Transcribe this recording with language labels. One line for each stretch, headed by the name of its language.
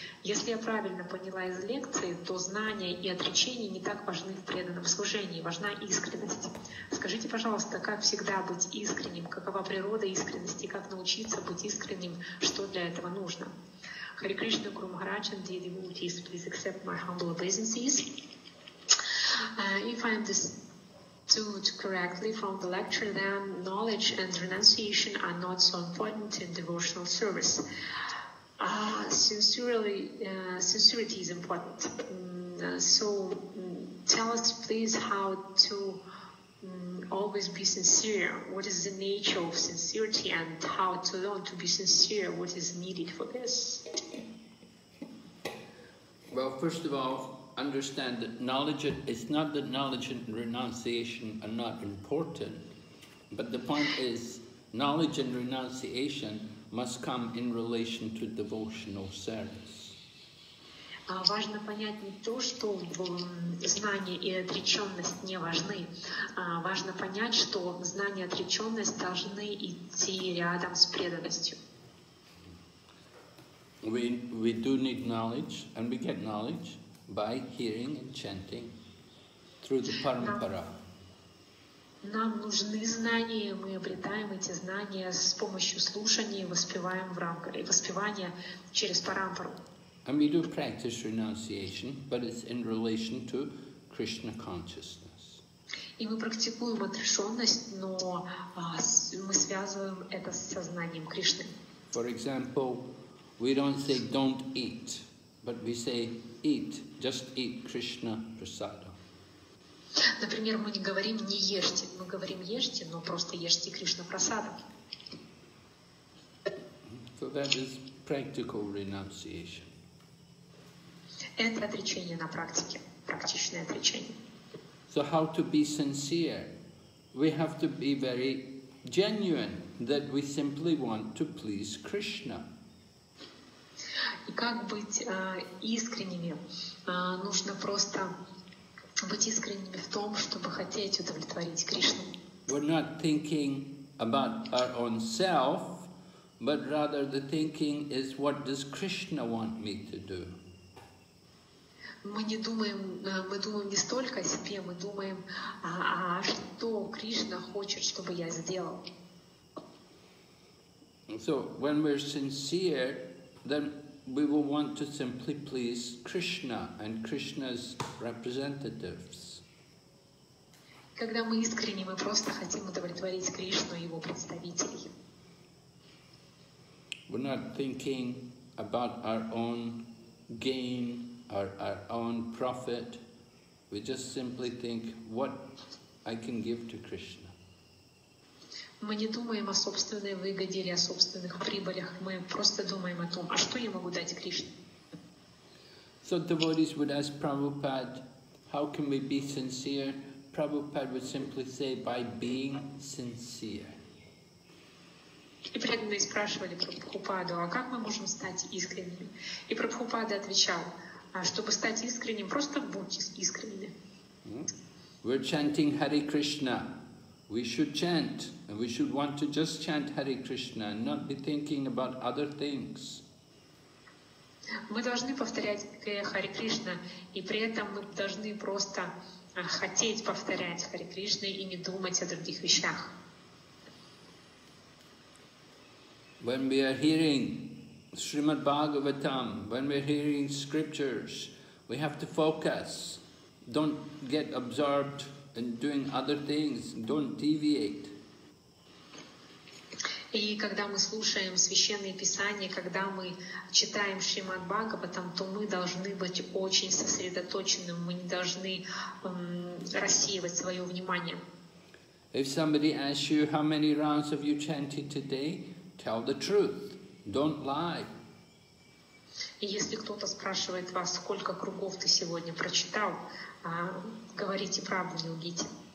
Russian: Если я правильно поняла из лекции, то знания и отречения не так важны в преданном служении, важна искренность. Скажите, пожалуйста, как всегда быть искренним, какова природа искренности, как научиться быть искренним, что для этого нужно?
English: Hare Krishna, Guru Maharaj and dear devotees, please accept my humble obeisances. If I understood correctly from the lecture, then knowledge and renunciation are not so important in devotional service. Sincerity is important. Tell us, please, how to always be sincere. What is the nature of sincerity and how to learn to be sincere? What is needed for this? Well, first of all, understand that knowledge, it's not that knowledge and renunciation are not important, but the point is knowledge and renunciation must come in relation to devotional service.
Russian: Важно понять не то, что знание и отреченность не важны. Важно понять, что знание и отреченность должны идти рядом с преданностью.
English: We do need knowledge, and we get knowledge by hearing and chanting through the Parampara.
Russian: Нам нужны знания, мы обретаем эти знания с помощью слушания, воспеваем в рамках, воспевания через Парампару.
English: And we do practice renunciation, but it's in relation to Krishna consciousness.
Russian: И мы практикуем отрешенность, но мы связываем это с сознанием Кришны.
English: For example, we don't say don't eat, but we say eat, just eat Krishna prasada.
Russian: Например, мы не говорим не ешьте, мы говорим ешьте, но просто ешьте Кришна прасада.
English: So that is practical renunciation.
Russian: Это отречение на практике, практичное отречение.
English: So how to be sincere? We have to be very genuine that we simply want to please Krishna.
Russian: И как быть искренними? Нужно просто быть искренними в том, чтобы хотеть удовлетворить Кришну.
English: We're not thinking about our own self, but rather the thinking is what does Krishna want me to do?
Russian: Мы не думаем, мы думаем не столько о себе, мы думаем, что Кришна хочет, чтобы я сделал.
English: So when we're sincere, then we will want to simply please Krishna and Krishna's representatives.
Russian: Когда мы искренне, мы просто хотим удовлетворить Кришну и его представителей.
English: We're not thinking about our own gain. Our own profit, we just simply think what I can give to Krishna.
Russian: Мы не думаем о собственной выгоде или о собственных прибылях, мы просто думаем о том, а что я могу дать Кришне.
English: So devotees would ask Prabhupada, how can we be sincere? Prabhupada would simply say, by being sincere.
Russian: И преданные спрашивали Прабхупаду, а как мы можем стать искренними? И Прабхупада отвечал, чтобы стать искренним, просто будьте искренними.
English: We're chanting Hare Krishna. We should chant, and we should want to just chant Hare Krishna, and not be thinking about other things.
Russian: Мы должны повторять Hare Krishna, и при этом мы должны просто хотеть повторять Hare Krishna и не думать о других вещах.
English: When we are hearing Srimad Bhagavatam, when we're hearing scriptures, we have to focus. Don't get absorbed in doing other things. Don't deviate.
Russian: И когда мы слушаем священные писания, когда мы читаем Шримад Бхагаватам, то мы должны быть очень сосредоточены. Мы не должны рассеивать свое внимание.
English: If somebody asks you how many rounds have you chanted today, tell the truth. Don't lie.
Russian: И если кто-то спрашивает вас, сколько кругов ты сегодня прочитал, говорите правду, не лгите.